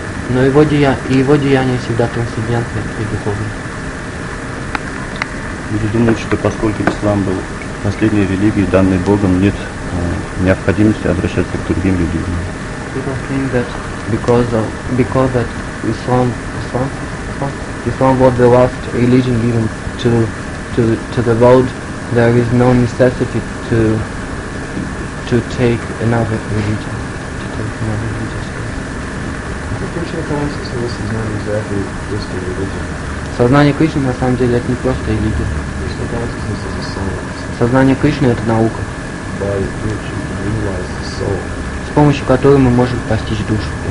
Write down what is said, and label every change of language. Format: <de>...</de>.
<ru>Но его деяния всегда трансцендентны и духовны. Люди думают, что поскольку ислам был последней религией, данной Богом, нет необходимости обращаться к другим религиям.</ru> <en>People think that because Islam was the last religion given to the world, there is no necessity to take another religion.</en> <ru>Сознание Кришны на самом деле это не просто религия. Сознание Кришны — это наука, с помощью которой мы можем постичь душу.</ru>